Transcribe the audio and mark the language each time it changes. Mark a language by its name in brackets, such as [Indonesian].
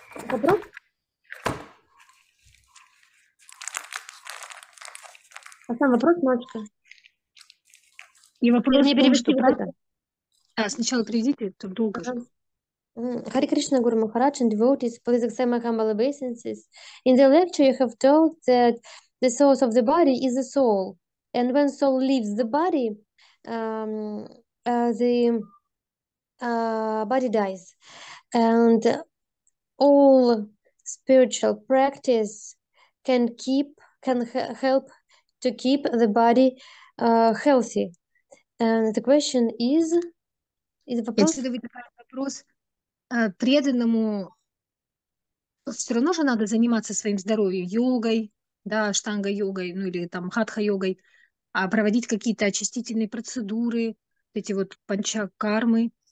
[Russian] Вопрос? А сам вопрос, мальчика. И вопрос не перевести в это. А, сначала приведите, это долго. [English] Hare Krishna Guru Maharaj and devotees, please accept my humble obeisances. In the lecture you have told that the source of the body is the soul. And when soul leaves the body, body dies. And all spiritual practice can help to keep the body healthy. And the question is [Russian] вопрос? Если задавать вопрос преданному, все равно же надо заниматься своим здоровьем, йогой, да, штанга-йогой, ну или там хатха-йогой, а проводить какие-то очистительные процедуры, эти вот панчакармы.